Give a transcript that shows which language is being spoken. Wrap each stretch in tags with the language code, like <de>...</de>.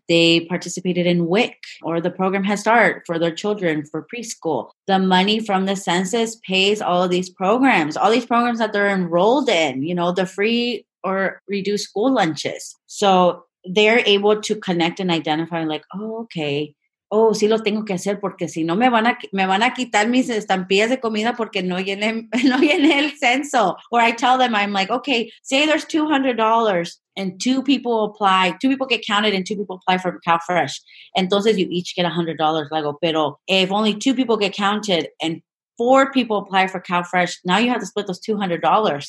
<en>They participated in WIC or the program Head Start for their children for preschool. The money from the census pays all these programs that they're enrolled in, you know, the free or reduced school lunches. So they're able to connect and identify like, oh, okay.</en> <es>Oh, sí lo tengo que hacer porque si no me van a quitar mis estampillas de comida porque no llené el censo.</es> <en>Or I tell them, I'm like, okay, say there's $200 and two people get counted and two people apply for CalFresh.</en> <es>Entonces</es> <en>you each get $100. Like,</en> <es>pero</es> <en>if only two people get counted and four people apply for CalFresh, now you have to split those $200.</en>